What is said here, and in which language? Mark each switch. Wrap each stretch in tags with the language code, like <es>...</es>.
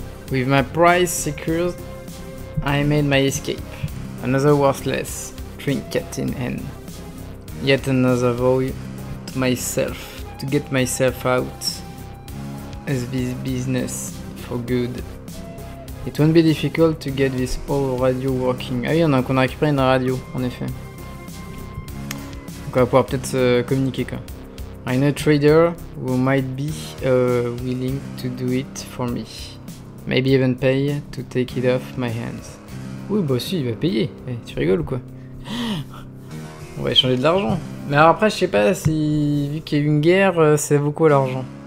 <en>With my prize secured, I made my escape. Another worthless trinket in hand. Yet another void. Myself to get myself out as this business for good. It won't be difficult to get this old radio working.</en> <fr>Ah oui, on a récupéré une radio, en effet. Donc on va pouvoir peut-être communiquer quoi.</fr> <en>I know a trader who might be willing to do it for me. Maybe even pay to take it off my hands.</en> <fr>Oui, bah si, il va payer. Hey, tu rigoles ou quoi? On va échanger de l'argent. Mais alors après, je sais pas si, vu qu'il y a eu une guerre, c'est beaucoup l'argent.</fr>